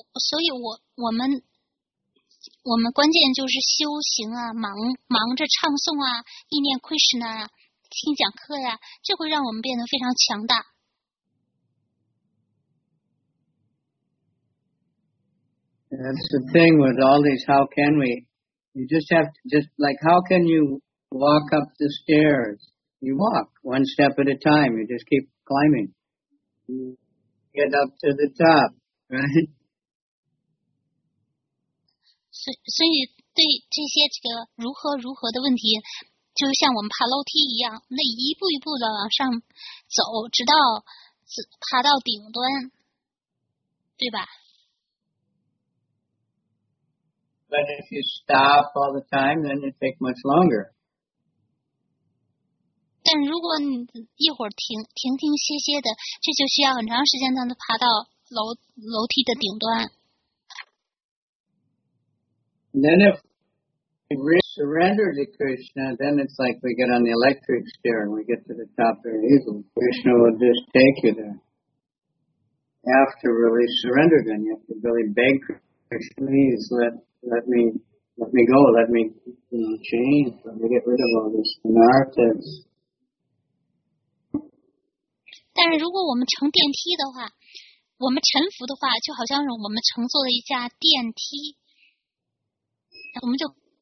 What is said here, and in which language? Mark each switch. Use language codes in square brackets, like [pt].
[zh] 所以我们关键就是修行啊，忙着唱诵啊，意念 Krishna 啊，听讲课呀，这会让我们变得非常强大。 [en] That's the thing with all these, how can we? You just have to, just like, how can you walk up the stairs? You walk one step at a time. You just keep climbing. You get up to the top, right? [zh] So, 对这些这个如何的问题，就像我们爬楼梯一样，那一步一步的往上走，直到爬到顶端，对吧？ [en] But if you stop all the time, then it takes much longer. [zh] 但如果你一会儿停歇歇的，这就需要很长时间才能爬到楼梯的顶端。 [en] And then if we surrender to Krishna, then it's like we get on the electric stair and we get to the top very easily. Krishna will just take you there. After really surrender, then you have to really beg Krishna, please let me go, let me, you know, change, let me get rid of all this narratives. [zh] 但如果我们乘电梯的话，我们臣服的话，就好像是我们乘坐了一架电梯，我们就